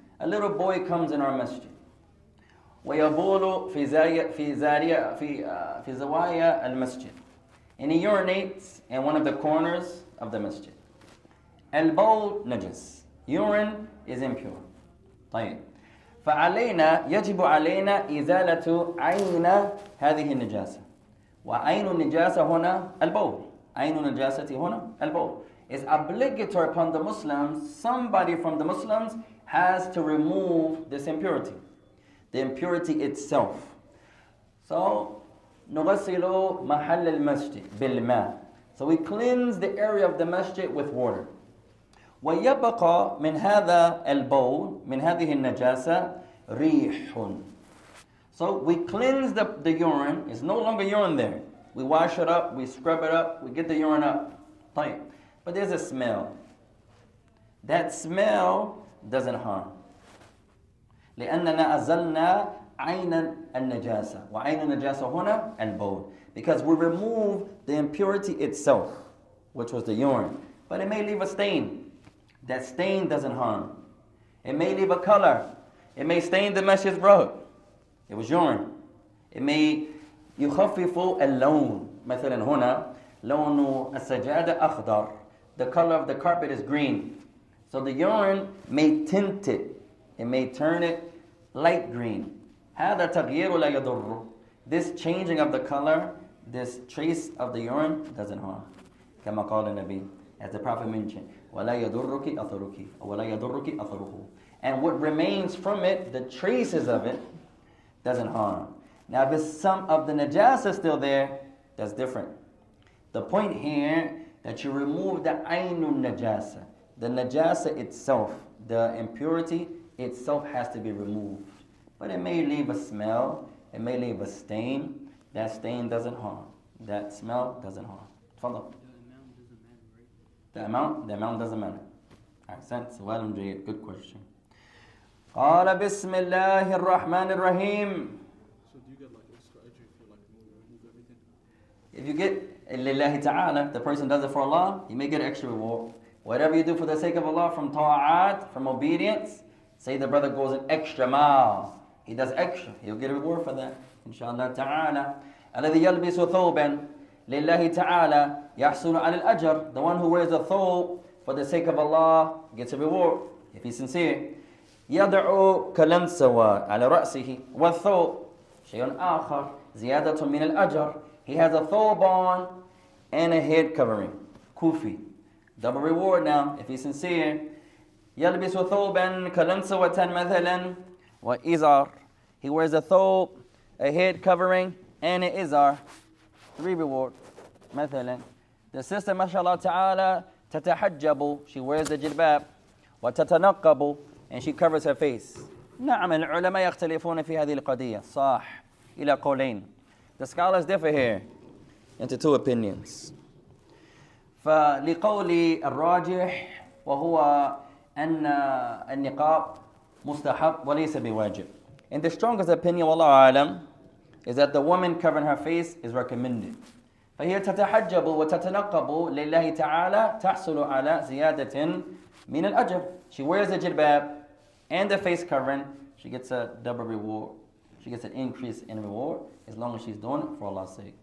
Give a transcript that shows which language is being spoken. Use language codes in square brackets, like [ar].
[en] A little boy comes in our masjid. [ar] وَيَبُولُ فِي زَوَايَا الْمَسْجِدِ [en] And he urinates in one of the corners of the masjid. [ar] الْبَوْلْ نَجِسْ [en] Urine is impure. [ar] طيب. فَعَلَيْنَا يَجِبُ عَلَيْنَا إِزَالَةُ عَيْنَا هَذِهِ النِّجَاسَ وَعَيْنُ النِّجَاسَ هُنَا الْبَوْلْ عَيْنُ النِّجَاسَةِ هُنَا الْبَوْلْ [en] It's obligatory upon the Muslims, somebody from the Muslims has to remove this impurity. The impurity itself. [ar] So, نغسلو محل المسجد بالماء. [en] So we cleanse the area of the masjid with water. [ar] ويبقى من هذا البول من هذه النجاسة ريح. [en] So we cleanse the urine. It's no longer urine there. We wash it up, we scrub it up, we get the urine up. طيب. But there's a smell. That smell doesn't harm. [ar] لأننا أزلنا عين النجاسة وعين النجاسة هنا البول [en] because we remove the impurity itself which was the urine but it may leave a stain that stain doesn't harm it may leave a color it may stain the masjid's rug it was urine it may [ar] يخفف اللون مثلا هنا لون السجادة أخضر [en] the color of the carpet is green so the urine may tint it may turn it light green. [ar] هذا تغيير لا يضر. [en] This changing of the color, this trace of the urine doesn't harm. [ar] كما قال النبي, [en] as the Prophet mentioned, [ar] ولا يضرك أثرك ولا يضرك أثره. [en] And what remains from it, the traces of it, doesn't harm. Now, if some of the najasa is still there, that's different. The point here that you remove the عينُ najasa, the najasa itself, the impurity. Itself has to be removed. But it may leave a smell, it may leave a stain. That stain doesn't harm. That smell doesn't harm. Follow. The amount doesn't matter. Accent. Well, Jayed. Good question. [ar] قال بسم الله الرحمن الرحيم. [en] So do you get like extra edge if you like remove everything? If you get لله تعالى, the person does it for Allah, you may get extra reward. Whatever you do for the sake of Allah, from ta'at, from obedience, say the brother goes an extra mile. He does extra. He'll get a reward for that. Inshallah ta'ala. [ar] الَّذِي يَلْبِسُ ثَوْبًا لِلَّهِ تَعَالَى يَحْسُنُ عَلِ الْأَجْرِ [en] The one who wears a thobe for the sake of Allah gets a reward if he's sincere. [ar] يَدْعُ كَلَنْسَوَى عَلَى رَأْسِهِ وَالثَوْبُ شَيْءٌ آخَرُ زِيَادَةٌ مِنَ الْأَجْرِ [en] He has a thobe on and a head covering. Kufi. Double reward now if he's sincere. [ar] يلبس ثوبا كلنسوة مثلا وإزار [en] He wears a thobe, a head covering, and an إزار Three reward [ar] مثلا [en] The sister [ar] ما شاء الله تعالى تتحجب [en] She wears the [ar] جلباب وتتنقب [en] And she covers her face [ar] نعم العلماء يختلفون في هذه القضية صح إلى قولين [en] The scholars differ here into two opinions [ar] فلقول الراجح وهو أن النقاب مستحب وليس بواجب. [en] And the strongest opinion, [ar] والله أعلم, [en] is that the woman covering her face is recommended. [ar] فهي تتحجب وتتنقب لله تعالى تحصل على زيادة من الأجر. [en] She wears the jilbab and the face covering. She gets a double reward. She gets an increase in reward as long as she's doing it for Allah's sake.